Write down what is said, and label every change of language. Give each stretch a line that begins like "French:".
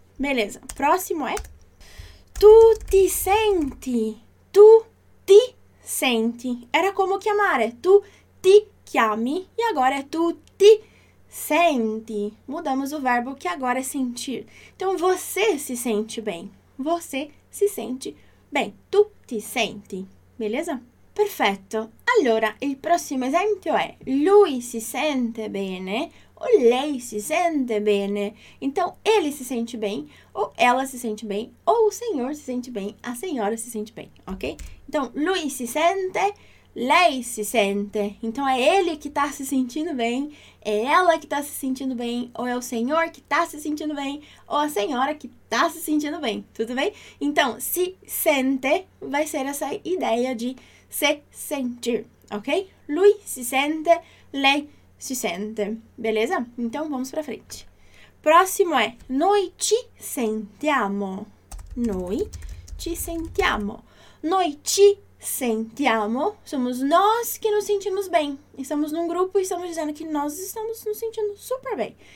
Portuguese: Beleza, próximo é
Italian: tu ti senti, tu ti senti.
Portuguese: Era como
Italian: chiamare, tu ti chiami
Portuguese: e agora é
Italian: tu ti senti.
Portuguese: Mudamos o verbo que agora é sentir. Então, você se sente bem, você se sente bem,
Italian: tu ti senti,
Portuguese: beleza?
Italian: Perfetto, allora, il prossimo esempio è lui si sente bene o lei si sente bene.
Portuguese: Então, ele se sente bem, ou ela se sente bem, ou o senhor se sente bem, a senhora se sente bem, ok? Então,
Italian: lui si sente, lei si sente.
Portuguese: Então, é ele que tá se sentindo bem, é ela que tá se sentindo bem, ou é o senhor que tá se sentindo bem, ou a senhora que tá se sentindo bem, tudo bem? Então,
Italian: si sente
Portuguese: vai ser essa ideia de se sentir, ok?
Italian: Lui si sente, lei si sente.
Portuguese: Beleza? Então, vamos pra frente. Próximo é
Italian: noi ci sentiamo. Noi ci sentiamo. Noi ci sentiamo.
Portuguese: Somos nós que nos sentimos bem. Estamos num grupo e estamos dizendo que nós estamos nos sentindo super bem.